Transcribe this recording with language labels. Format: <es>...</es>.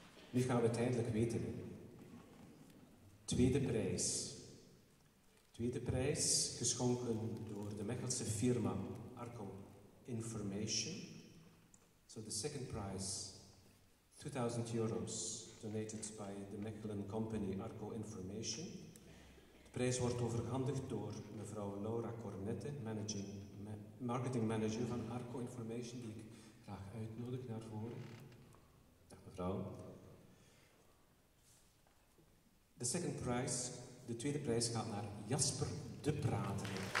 <nl>Nu gaan we het eindelijk weten. Tweede prijs. Tweede prijs, geschonken door de Mechelse firma Arcom Information.</nl> <en>So the second prize, €2.000, donated by the Mechelen company Arco Information. De prijs</en> <nl>prijs wordt overhandigd door mevrouw Laura Cornette, marketing manager van Arco Information, die ik graag uitnodig naar voren. Dag mevrouw. De second prize, de tweede prijs gaat naar Jasper de Prater.</nl>